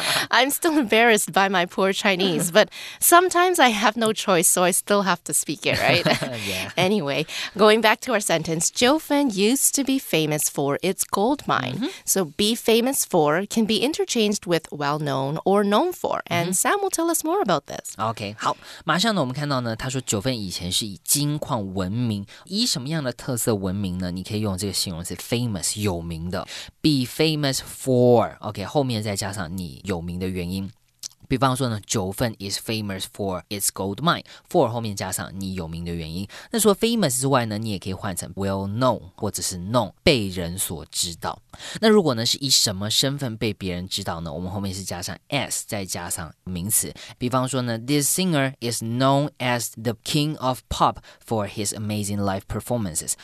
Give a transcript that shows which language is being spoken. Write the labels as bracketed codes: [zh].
[en] I'm still embarrassed by my poor Chinese, but sometimes I have no choice, so I still have to speak it, right? Anyway, going back to our sentence, Jiufen used to be famous for its gold mine. Mm-hmm. So be famous for can be interchanged with well-known or known for, and Sam will tell us more about this. [zh] Okay, 好，马上呢，我们看到呢，他说九份以前是以金矿闻名，以什么样的特色闻名呢？你可以用这个形容词 famous， 有名的。 [en] Be famous for, [zh] OK, 后面再加上你有名的原因。比方说呢，九份 [en] is famous for its gold mine， [zh] for 后面加上你有名的原因。那除了 famous 之外呢，你也可以换成 well known 或者是 known， 被人所知道。那如果呢是以什么身份被别人知道呢，我们后面是加上 s 再加上名词。比方说呢， [en] this singer is known as the king of pop for his amazing live performances。